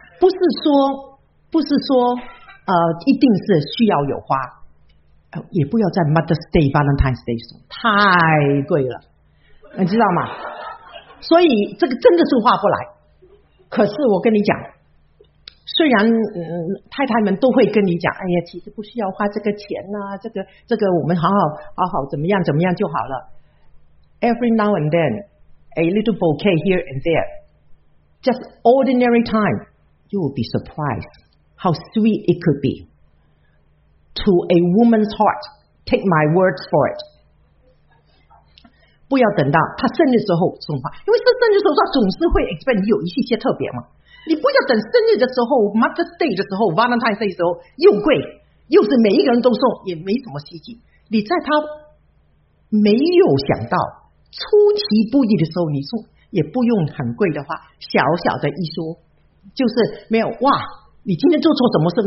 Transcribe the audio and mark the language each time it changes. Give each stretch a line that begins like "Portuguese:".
Chinese: 不是说一定是需要有花，也不要在 Mother's Day、Valentine's Day 送，太贵了，你知道吗？所以这个真的是划不来。可是我跟你讲，虽然太太们都会跟你讲，哎呀，其实不需要花这个钱呐、啊，这个我们好好怎么样怎么样就好了。
English: Every now and then, a little bouquet here and there, just ordinary time, you will be surprised how sweet it could be to a woman's heart. Take my word for it.
Chinese: 不要等到他生日的时候送花，因为他生日的时候他总是会
English: expect
Chinese: 你有一些特别嘛。你不要等生日的时候 Mother's Day 的时候 Valentine's Day 的时候又贵又是每一个人都送，也没什么稀奇。你在他没有想到出其不意的时候你送，也不用很贵的话，小小的一说就是没有，哇你今天做错什么事？